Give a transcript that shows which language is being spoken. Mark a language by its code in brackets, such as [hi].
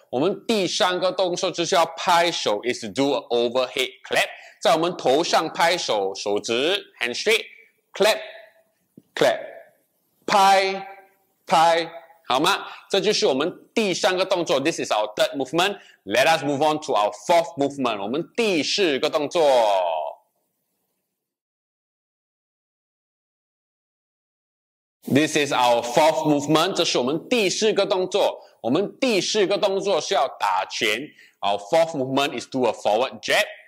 [zh] 我们第三个动作就是要拍手 is to do an overhead clap. 在我们头上拍手手指 hand straight, clap, clap, 拍拍好吗？这就是我们第三个动作。 [en] This is our third movement. Let us move on to our fourth movement. [zh] 我们第四个动作。 [en] This is our fourth movement. 这是我们第四个动作。 [zh] 我们第四个动作是要打拳。 [en] Our fourth movement is do a forward jab.